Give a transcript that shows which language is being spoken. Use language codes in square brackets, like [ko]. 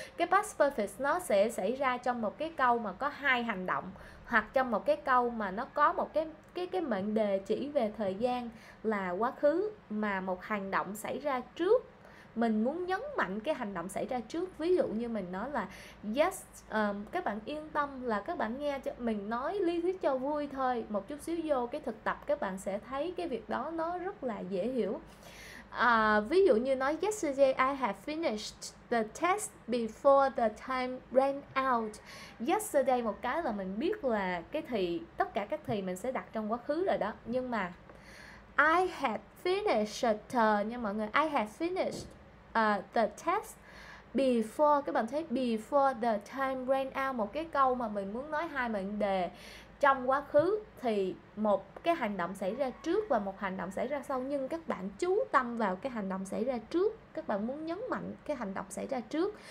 [vi] Cái past perfect nó sẽ xảy ra trong một cái câu mà có hai hành động, hoặc trong một cái câu mà nó có một cái mệnh đề chỉ về thời gian là quá khứ, mà một hành động xảy ra trước. Mình muốn nhấn mạnh cái hành động xảy ra trước. Ví dụ như mình nói là yes, các bạn yên tâm là các bạn nghe cho mình nói lý thuyết cho vui thôi. Một chút xíu vô cái thực tập các bạn sẽ thấy cái việc đó nó rất là dễ hiểu. Ví dụ như nói [en] yesterday I have finished the test before the time ran out. [vi] Yesterday một cái là mình biết là cái thì tất cả các thì mình sẽ đặt trong quá khứ rồi đó. Nhưng mà I have finished nha mọi người, [en] I have finished the test before, [vi] các bạn thấy [en] before the time ran out, [vi] một cái câu mà mình muốn nói hai mệnh đề trong quá khứ, thì một cái hành động xảy ra trước và một hành động xảy ra sau, nhưng các bạn chú tâm vào cái hành động xảy ra trước, các bạn muốn nhấn mạnh cái hành động xảy ra trước.